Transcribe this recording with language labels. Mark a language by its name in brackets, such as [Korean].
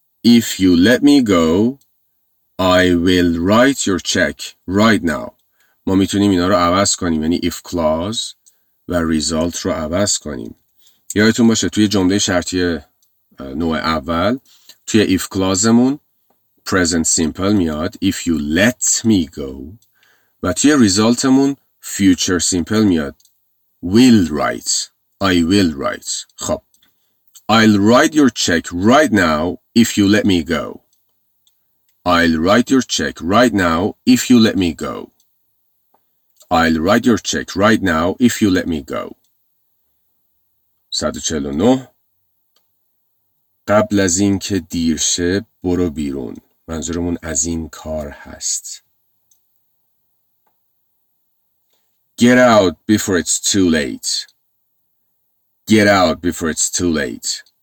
[English] If you let me go, I will write your check right now. [Persian] ما میتونیم اینا رو عوض کنیم. یعنی if clause و result رو عوض کنیم. یادتون باشه توی جمله شرطی نوع اول توی if clauseمون present simple میاد [English] if you let me go [Persian] و توی resultمون [English] future simple [Persian] میاد. [English] Will write. I will write. [Persian] خب. [English] I'll write your check right now if you let me go. I'll write your check right now if you let me go. I'll write your check right now if you let me go. [Persian] 149 قبل از این که دیر شه برو بیرون. منظورمون از این کار هست. [English] Get out before it's too late. Get out before it's too late.